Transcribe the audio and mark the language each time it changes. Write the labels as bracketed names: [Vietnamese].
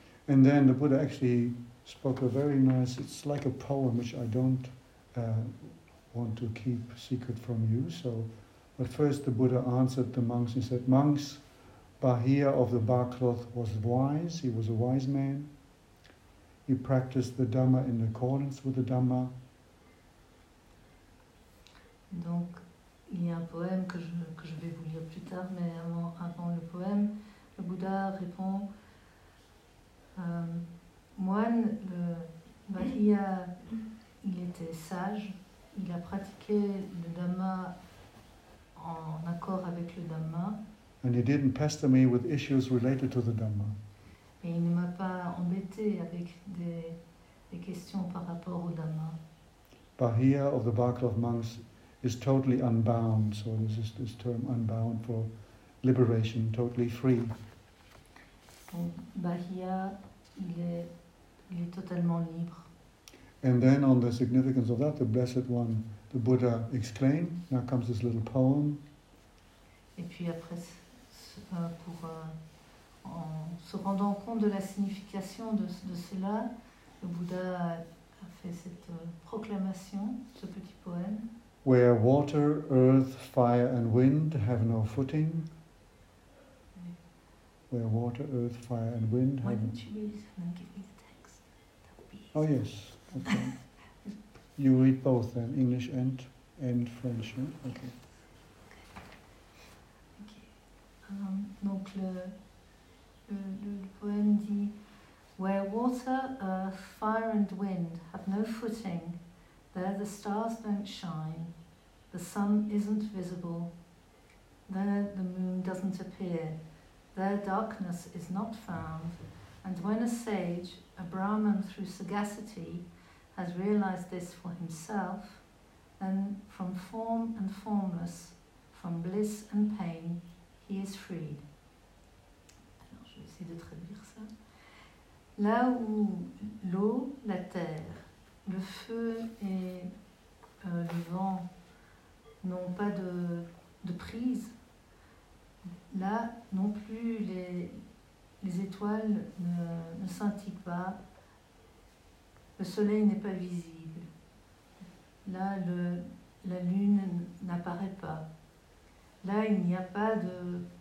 [English] And then the Buddha actually spoke a very nice, it's like a poem which I don't want to keep secret from you. So, but first the Buddha answered the monks and said, monks, Bahia of the bark cloth was wise, he was a wise man. He practiced the Dhamma in accordance with the Dhamma. [French] Donc, il y a un poème que je vais vous lire plus tard, mais avant le poème, le Bouddha répond « Moine, Bahia, il était sage, il a pratiqué le Dhamma en accord avec le Dhamma. » [English] And he didn't pester me with issues related to the Dhamma. [French] Et il ne m'a pas embêté avec des questions par rapport au Dhamma. [English] Bahia of the bark cloth monks is totally unbound, so this is this term unbound for liberation, totally free. [French] Donc, Bahia, il est totalement libre. [English] And then on the significance of that, the Blessed One, the Buddha exclaimed, now comes this little poem. [French] Et puis après, en se rendant compte de la signification de cela, le Bouddha a fait cette proclamation, ce petit poème. [English] Where water, earth, fire, and wind have no footing. Where water, earth, fire, and wind have no footing. Why don't you read it and give me the text? That would be easy. Oh, yes. Okay. You read both then, English and French. Yeah? Okay. Okay. [French] Donc, le poème dit [English] Where water, earth, fire and wind have no footing, there the stars don't shine, the sun isn't visible, there the moon doesn't appear, there darkness is not found. And when a sage, a Brahman through sagacity, has realized this for himself, then from form and formless, from bliss and pain, he is freed. [French] Alors, je vais essayer de traduire ça. Là où l'eau, la terre, le feu et le vent n'ont pas de prise, là non plus les étoiles ne scintillent pas, le soleil n'est pas visible, là la lune n'apparaît pas, là il n'y a pas de...